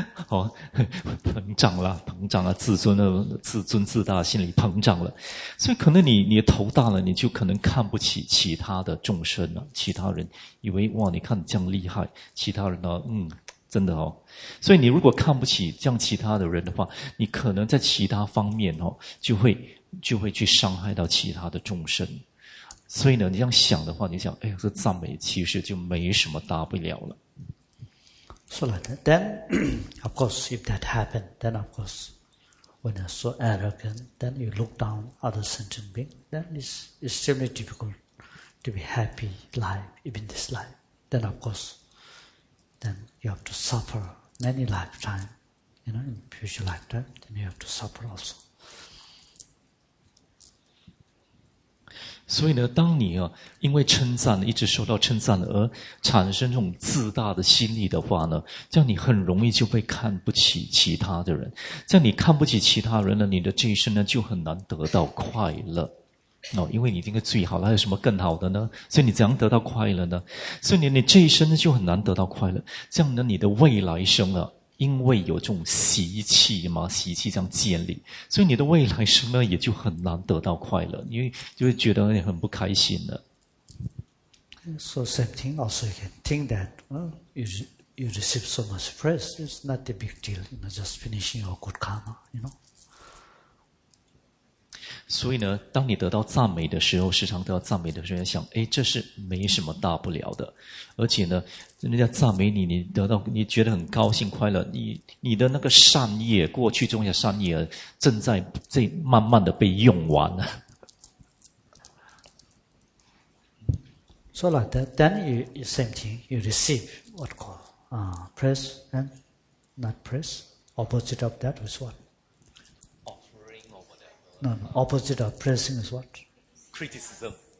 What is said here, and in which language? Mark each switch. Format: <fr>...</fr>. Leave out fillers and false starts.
<zh>哦，膨胀了，自尊自大心里膨胀了，所以可能你头大了，你就可能看不起其他的众生了，其他人以为哇你看这样厉害，其他人呢真的哦，所以你如果看不起这样其他的人的话，你可能在其他方面哦就会去伤害到其他的众生，所以呢你这样想的话，你想哎呀这赞美其实就没什么大不了了。</zh> <en>So like that. Then, of course, if that happened, then of course, when you're so arrogant, then you look down other sentient beings, then it's extremely difficult to be happy life, even this life. Then of course, then you have to suffer many lifetimes, you know, in future lifetime, then you have to suffer also.</en> <zh>所以呢，当你啊，因为称赞，一直受到称赞而产生这种自大的心理的话呢，这样你很容易就会看不起其他的人。这样你看不起其他人呢，你的这一生呢就很难得到快乐。哦，因为你已经最好了，还有什么更好的呢？所以你怎样得到快乐呢？所以你这一生呢就很难得到快乐。这样呢，你的未来生啊，因为有这种习气嘛，习气这样建立，所以你的未来生呢也就很难得到快乐，因为就会觉得你很不开心了。</zh> <en>So same thing, also you can think that, you receive so much praise, it's not a big deal, you know, just finishing your good karma, you know.</en> <zh>所以呢，当你得到赞美的时候，时常得到赞美的时候，想，哎，这是没什么大不了的，而且呢。人家赞美你，你得到你觉得很高兴快乐，你的那个善业，过去种下善业，正在这慢慢的被用完了。</zh> <en>So like that, then you same thing, you receive what call praise and not praise. Opposite of that is what? Offering or whatever. No, opposite of praising is what? Criticism.</en>